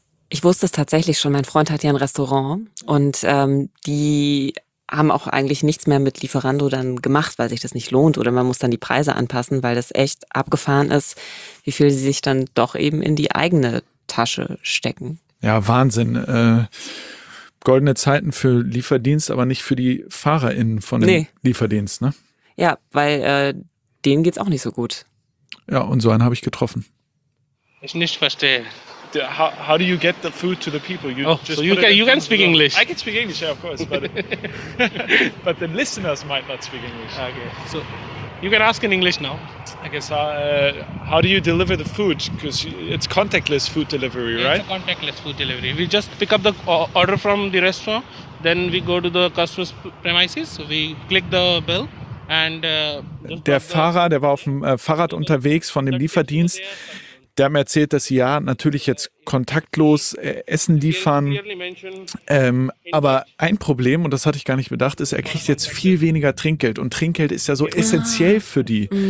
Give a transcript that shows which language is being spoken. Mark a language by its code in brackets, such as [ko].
[de] Ich wusste es tatsächlich schon, mein Freund hat ja ein Restaurant und die haben auch eigentlich nichts mehr mit Lieferando dann gemacht, weil sich das nicht lohnt oder man muss dann die Preise anpassen, weil das echt abgefahren ist, wie viel sie sich dann doch eben in die eigene Tasche stecken. Ja, Wahnsinn. Goldene Zeiten für Lieferdienst, aber nicht für die FahrerInnen von dem Lieferdienst, ne? Ja, weil denen geht's auch nicht so gut. Ja, und so einen habe ich getroffen. Ich nicht verstehe. [en] How do you get the food to the people? You can speak English. I can speak English, yeah, of course, but the listeners might not speak English. Okay. So you can ask in English now. I guess how do you deliver the food? Because it's contactless food delivery, yeah, right? It's a contactless food delivery. We just pick up the order from the restaurant, then we go to the customer's premises. So we click the bell. And [de] der Fahrer, der war auf dem Fahrrad unterwegs von dem Lieferdienst. Der hat mir erzählt, dass sie ja natürlich jetzt kontaktlos Essen liefern. Aber ein Problem, und das hatte ich gar nicht bedacht, ist, er kriegt jetzt viel weniger Trinkgeld. Und Trinkgeld ist ja so essentiell für die.